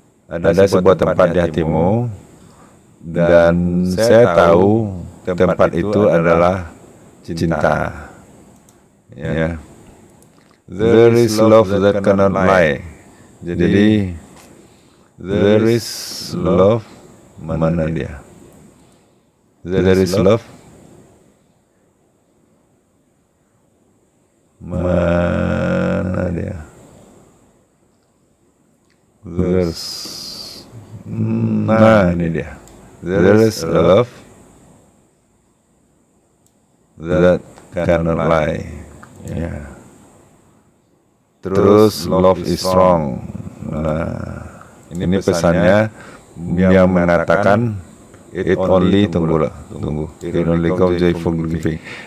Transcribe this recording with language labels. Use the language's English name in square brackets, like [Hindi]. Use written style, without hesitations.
[Indonesian] Ada sebuah tempat di hatimu. Dan saya tahu tempat itu adalah cinta. Ya. [English] There is love that cannot lie. [Indonesian] Jadi [English] there is love. [Indonesian] Mana dia? [English] There is love. [Indonesian] Mana dia? [English] There's. [Indonesian] Nah, ini dia. [English] There is love that cannot lie. Yeah. [Indonesian] Terus [English] love is strong. [Indonesian] Nah, ini pesannya yang mengatakan [English] it only [Indonesian] tunggu. [English] It only comes joyful giving.